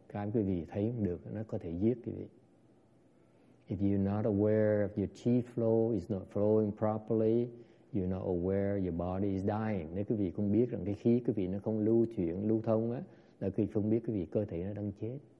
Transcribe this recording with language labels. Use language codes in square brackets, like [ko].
[vi] Cái quý vị thấy không được nó có thể giết quý vị. [en] If you're not aware of your chi flow is not flowing properly, you're not aware your body is dying. [vi] Nếu quý vị không biết rằng cái khí quý vị nó không lưu chuyển, lưu thông á, là quý vị không biết quý vị cơ thể nó đang chết.